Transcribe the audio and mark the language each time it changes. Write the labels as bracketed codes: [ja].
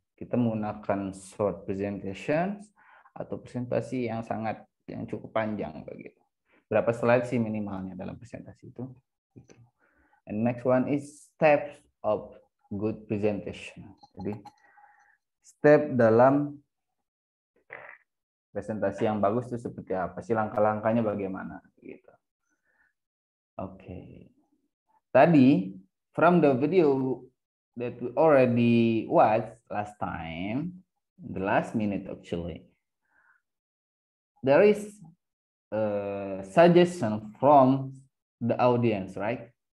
[id] Kita menggunakan short presentations atau presentasi yang cukup panjang begitu. Berapa slide sih minimalnya dalam presentasi itu? [en] And next one is steps of good presentation. [id] Jadi step dalam presentasi yang bagus itu seperti apa sih, langkah-langkahnya bagaimana gitu. Oke. Tadi [en] from the video that we already watched last time, the last minute actually, there is a suggestion from the audience, right?